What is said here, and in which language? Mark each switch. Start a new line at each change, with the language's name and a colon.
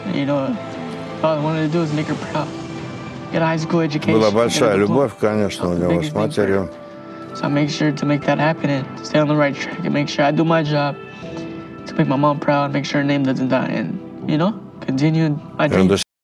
English: You know, all I wanted to do was make her proud. Get a high school education.
Russian: Была большая любовь, конечно, у него с матерью.
English: So I make sure to make that happen and stay on the right track and make sure I do my job to make my mom proud, make sure her name doesn't die and, you know, continue my dream.